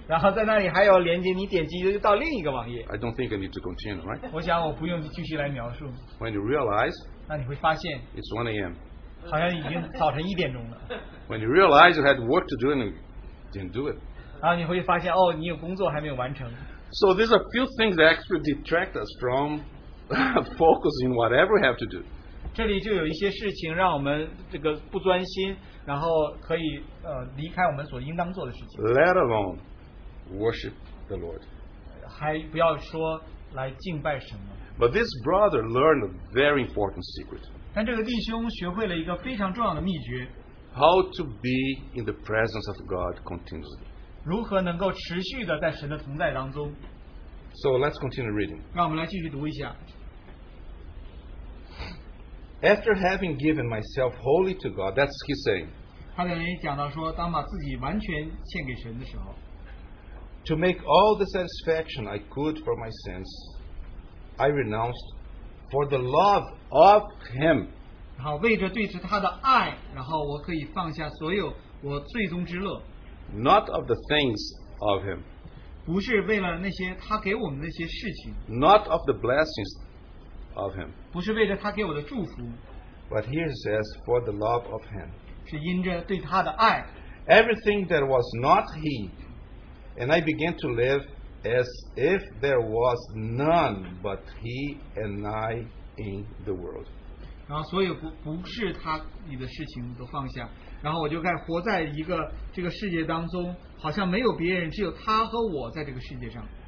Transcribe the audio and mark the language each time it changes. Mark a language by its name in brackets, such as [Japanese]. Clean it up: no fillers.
[Chinese] 然后在那里还有连接, 你点击就到另一个网页。 [English] I don't think I need to continue, right? [Chinese] 我想我不用继续来描述。 [English] When you realize, [Chinese] 那你会发现, [English] it's 1 a.m. [Chinese] 好像已经早晨一点钟了。 [English] When you realize you had work to do and didn't do it. [Chinese] 然后你会发现, 哦, 你有工作还没有完成。 [English] So there's a few things that actually detract us from focusing whatever we have to do. [Chinese] 这里就有一些事情让我们这个不专心，然后可以离开我们所应当做的事情。 [English] Let alone worship the Lord. [Chinese] 还不要说来敬拜神了。 [English] But this brother learned a very important secret. [Chinese] 但这个弟兄学会了一个非常重要的秘诀。 [English] How to be in the presence of God continuously. [Chinese] 如何能够持续的在神的同在当中。 [English] So let's continue reading. [Chinese] 让我们来继续读一下。 [English] After having given myself wholly to God, that's he's saying, [Chinese] 他在那里讲到说, 当把自己完全献给神的时候, [English] to make all the satisfaction I could for my sins, I renounced for the love of him. [Chinese] 然后为着对着他的爱, 然后我可以放下所有我最终之乐, [English] not of the things of him, [Chinese] 不是为了那些他给我们的那些事情, [English] not of the blessings of him, [Chinese] 不是为着他给我的祝福, [English] but here it says, for the love of him, [Chinese] 是因着对他的爱, [English] everything that was not he, and I began to live as if there was none but he and I in the world. [Chinese] 然后所有不是他你的事情都放下, 然后我就该活在一个这个世界当中, 好像没有别人, 只有他和我在这个世界上。